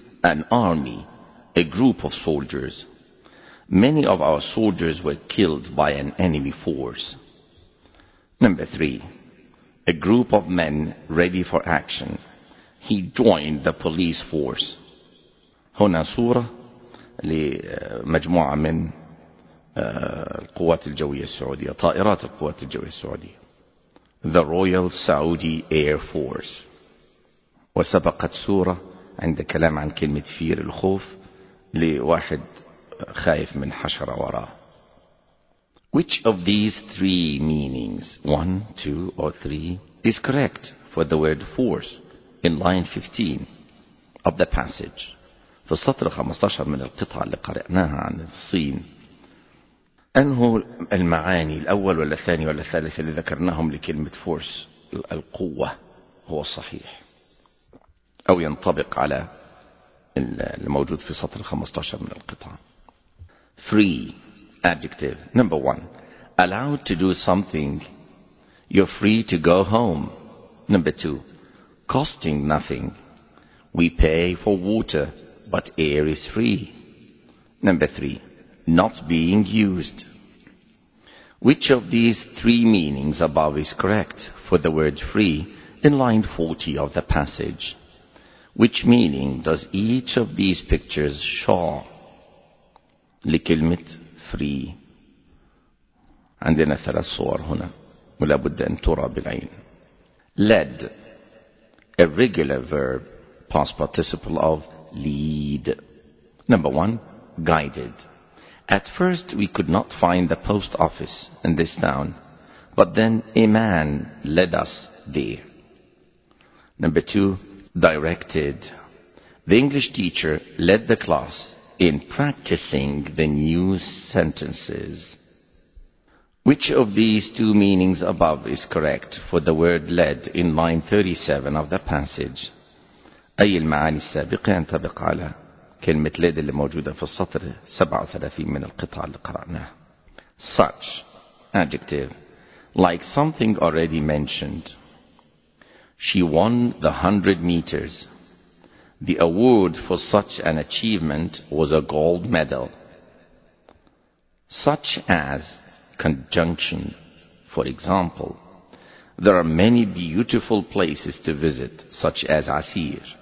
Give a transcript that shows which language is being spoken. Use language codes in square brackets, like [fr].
[en] An army, a group of soldiers. Many of our soldiers were killed by an enemy force. Number 3. A group of men ready for action. He joined the police force. [ar] هنا صورة لمجموعة من القوات الجوية السعودية, طائرات القوات الجوية السعودية. [en] The Royal Saudi Air Force. [ar] وسبقت صورة عند كلام عن كلمة فير الخوف لواحد خايف من حشرة وراه. [en] Which of these three meanings, 1, 2, or 3, is correct for the word force in line 15 of the passage. [ar] في السطر 15 من القطعة اللي قرأناها عن الصين. أنه المعاني الأول ولا الثاني ولا الثالث اللي ذكرناهم لكلمة فورس القوة هو الصحيح أو ينطبق على الموجود في سطر 15 من القطعة. [en] Free adjective number one, allowed to do something, you're free to go home. Number two, costing nothing, we pay for water but air is free. Number three, not being used. Which of these three meanings above is correct for the word free in line 40 of the passage? Which meaning does each of these pictures show? [ar] لكلمة free. عندنا ثلاث صور هنا ولا بد أن ترى بالعين. [en] Led, a regular verb, past participle of lead. Number one, guided. At first we could not find the post office in this town, but then a man led us there. Number two, directed. The English teacher led the class in practicing the new sentences. Which of these two meanings above is correct for the word led in line 37 of the passage? [ar] أي المعاني السابقة ينطبق على كلمة led اللي موجودة في السطر 37 من القطعة اللي قرأناها. [en] Such, adjective, like something already mentioned. She won the 100 meters. The award for such an achievement was a gold medal. Such as, conjunction, for example, there are many beautiful places to visit, such as Asir.